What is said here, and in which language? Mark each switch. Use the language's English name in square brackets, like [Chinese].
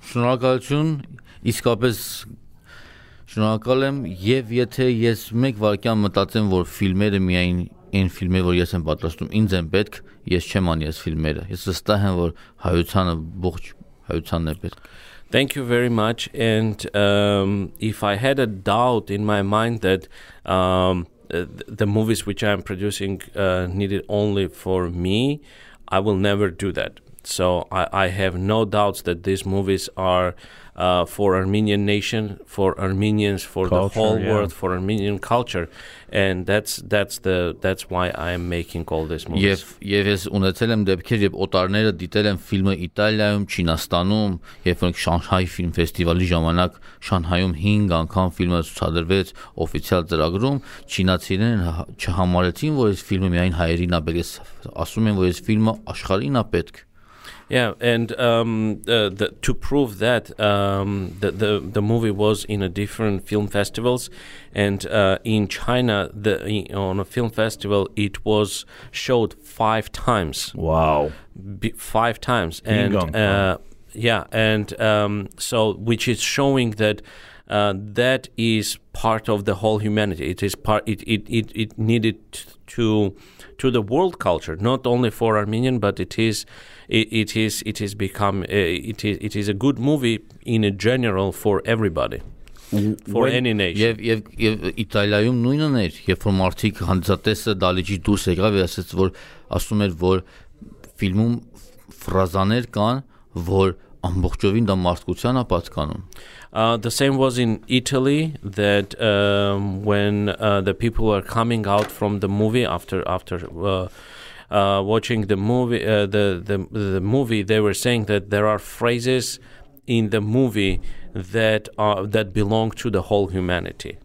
[Armenian] Շնորհակալություն, իսկապես շնորհակալ եմ, եւ եթե ես մեկ վարկյան մտածեմ, որ ֆիլմերը միայն այն ֆիլմերը, որ ես եմ պատրաստում, ինձ են պետք, ես չեմ անի այս ֆիլմերը, ես վստահ եմ, որ հայությանը, ողջ հայությանն է պետք։ [English] Thank you very much, and if I had a doubt in my mind that the movies which I am producing needed only for me, I will never do that. So I have no doubts that these movies are for Armenian nation, for Armenians, for culture, the whole yeah. world, for Armenian culture, and that's why I am making all these movies. [Armenian] Եվ ես ունեցել եմ դեպքեր, երբ օտարները դիտել են ֆիլմը Իտալիայում, Չինաստանում, երբ որ Շանհայ ֆիլմ ֆեստիվալի ժամանակ Շանհայում 5 անգամ ֆիլմը ցուցադրվեց օֆիցիալ ծրագրում, չինացիներն չհամարեցին, որ այս ֆիլմը միայն հայերին է պետք, ասում են, որ այս ֆիլմը աշխարհին է պետք. [English] Yeah, and to prove that, the movie was in a different film festivals, and in China, on a film festival, it was showed 5 times. Wow. 5 times. And yeah, and so, which is showing that that is part of the whole humanity. It is part. It needed to the world culture, not only for Armenian, but it is a good movie in a general for everybody, for when, any nation. [Armenian] Եվ Իտալիայում նույնն էր, երբ որ մարդիկ հանդիսատեսը դալիջի դուրս եկավ, ասաց, որ ասում էր, որ ֆիլմում ֆրազաներ կան, որ ամբողջովին դա մարդկության է պատկանում. [English] The same was in Italy, that when the people were coming out from the movie after watching the movie, the movie, they were saying that there are phrases in the movie that belong to the whole humanity.